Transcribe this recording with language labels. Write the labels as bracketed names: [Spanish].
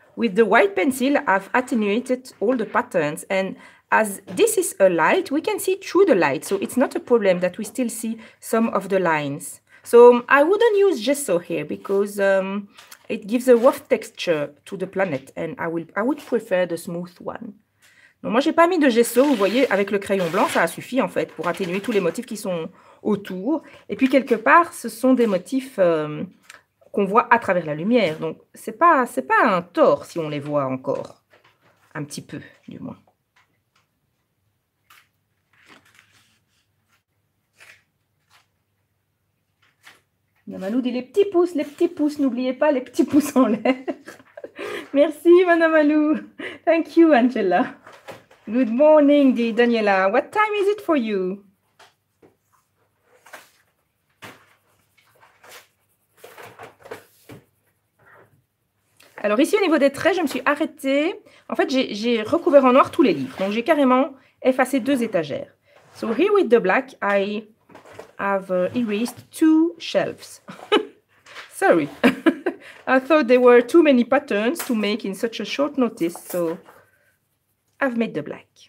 [English] With the white pencil, I've attenuated all the patterns. And as this is a light, we can see through the light. So it's not a problem that we still see some of the lines. So I wouldn't use gesso here because it gives a rough texture to the planet. And I would prefer the smooth one. [French] Donc moi, j'ai pas mis de gesso. Vous voyez, avec le crayon blanc, ça a suffi, en fait, pour atténuer tous les motifs qui sont autour. Et puis, quelque part, ce sont des motifs qu'on voit à travers la lumière. Donc, c'est pas un tort si on les voit encore. Un petit peu, du moins. Manamanou dit les petits pouces, n'oubliez pas les petits pouces en l'air. Merci, [English] Manamanou. Thank you, Angela. Good morning, [French] dit [English] Daniela. What time is it for you? [French] Alors ici, au niveau des traits, je me suis arrêtée. En fait, j'ai recouvert en noir tous les livres. Donc, j'ai carrément effacé 2 étagères. [English] So, here with the black, I have erased 2 shelves. Sorry. I thought there were too many patterns to make in such a short notice. So, I've made the black.